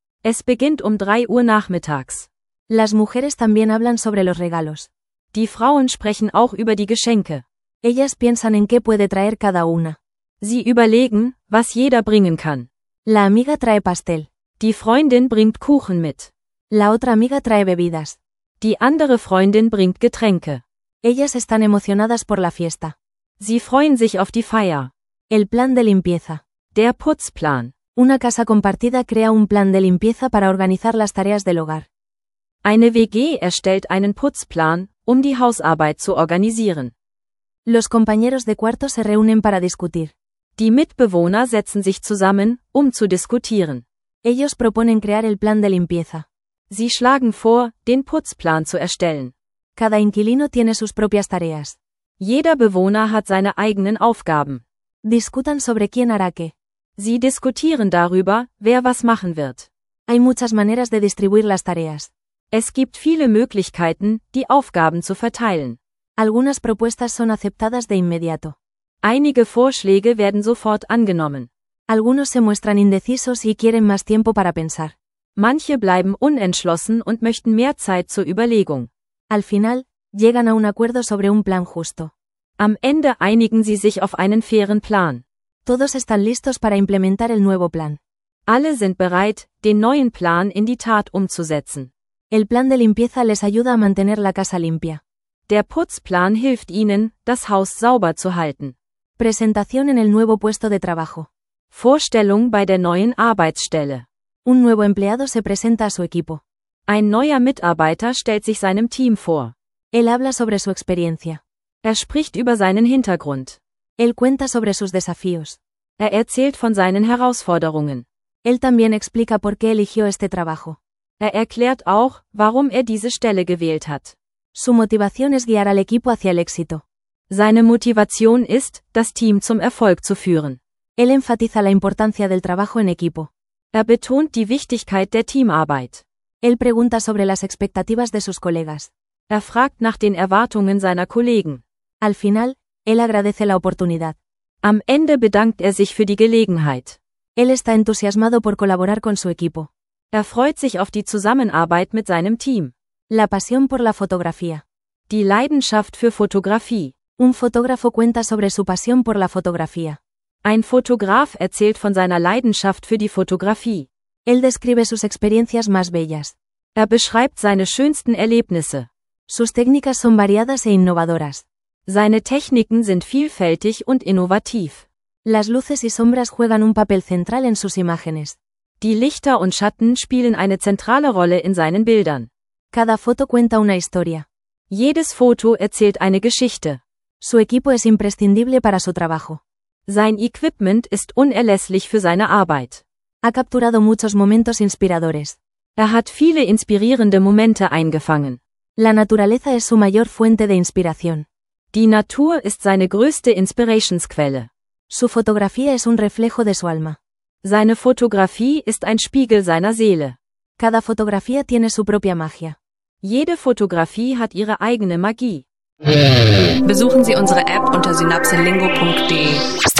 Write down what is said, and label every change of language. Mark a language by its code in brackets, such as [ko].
[de] Es beginnt um 3 Uhr nachmittags. [es] Las mujeres también hablan sobre los regalos. [de] Die Frauen sprechen auch über die Geschenke. [es] Ellas piensan en qué puede traer cada una. [de] Sie überlegen, was jeder bringen kann. [es] La amiga trae pastel. [de] Die Freundin bringt Kuchen mit. [es] La otra amiga trae bebidas. [de] Die andere Freundin bringt Getränke. [es] Ellas están emocionadas por la fiesta. [de] Sie freuen sich auf die Feier. [es] El plan de limpieza. [de] Der Putzplan. [es] Una casa compartida crea un plan de limpieza para organizar las tareas del hogar. [de] Eine WG erstellt einen Putzplan, um die Hausarbeit zu organisieren. [es] Los compañeros de cuarto se reúnen para discutir. [de] Die Mitbewohner setzen sich zusammen, um zu diskutieren. [es] Ellos proponen crear el plan de limpieza. [de] Sie schlagen vor, den Putzplan zu erstellen. [es] Cada inquilino tiene sus propias tareas. [de] Jeder Bewohner hat seine eigenen Aufgaben. [es] Discutan sobre quién hará qué. [de] Sie diskutieren darüber, wer was machen wird. [es] Hay muchas maneras de distribuir las tareas. [de] Es gibt viele Möglichkeiten, die Aufgaben zu verteilen. [es] Algunas propuestas son aceptadas de inmediato. [de] Einige Vorschläge werden sofort angenommen. [es] Algunos se muestran indecisos y quieren más tiempo para pensar. [de] Manche bleiben unentschlossen und möchten mehr Zeit zur Überlegung. [es] Al final, llegan a un acuerdo sobre un plan justo. [de] Am Ende einigen sie sich auf einen fairen Plan. [es] Todos están listos para implementar el nuevo plan. [de] Alle sind bereit, den neuen Plan in die Tat umzusetzen. [es] El plan de limpieza les ayuda a mantener la casa limpia. [de] Der Putzplan hilft ihnen, das Haus sauber zu halten. [es] Presentación en el nuevo puesto de trabajo. [de] Vorstellung bei der neuen Arbeitsstelle. [es] Un nuevo empleado se presenta a su equipo. [de] Ein neuer Mitarbeiter stellt sich seinem Team vor. [es] Él habla sobre su experiencia. [de] Spricht über seinen Hintergrund. [es] Él cuenta sobre sus desafíos. [de] Erzählt von seinen Herausforderungen. [es] Él también explica por qué eligió este trabajo. [de] Erklärt auch, warum diese Stelle gewählt hat. [es] Su motivación es guiar al equipo hacia el éxito. [de] Seine Motivation ist, das Team zum Erfolg zu führen. [es] Él enfatiza la importancia del trabajo en equipo. [de] Betont die Wichtigkeit der Teamarbeit. [es] Él pregunta sobre las expectativas de sus colegas. [de] Fragt nach den Erwartungen seiner Kollegen. [es] Al final, él agradece la oportunidad. [de] Am Ende bedankt sich für die Gelegenheit. [es] Él está entusiasmado por colaborar con su equipo. [de] Freut sich auf die Zusammenarbeit mit seinem Team. [es] La pasión por la fotografía. [de] Die Leidenschaft für Fotografie. [es] Un fotógrafo cuenta sobre su pasión por la fotografía. [de] Ein Fotograf erzählt von seiner Leidenschaft für die Fotografie. [es] Él describe sus experiencias más bellas. [de] Er beschreibt seine schönsten Erlebnisse. [es] Sus técnicas son variadas e innovadoras. [de] Seine Techniken sind vielfältig und innovativ. [es] Las luces y sombras juegan un papel central en sus imágenes. [de] Die Lichter und Schatten spielen eine zentrale Rolle in seinen Bildern. [es] Cada foto cuenta una historia. [de] Jedes Foto erzählt eine Geschichte. [es] Su equipo es imprescindible para su trabajo. [de] Sein Equipment ist unerlässlich für seine Arbeit. [es] Ha capturado muchos momentos inspiradores. [de] Er hat viele inspirierende Momente eingefangen. [es] La naturaleza es su mayor fuente de inspiración. [de] Die Natur ist seine größte Inspirationsquelle. [es] Su fotografía es un reflejo de su alma. [de] Seine Fotografie ist ein Spiegel seiner Seele. [es] Cada fotografía tiene su propia magia. [de] Jede Fotografie hat ihre eigene Magie. Besuchen Sie unsere App unter synapsenlingo.de.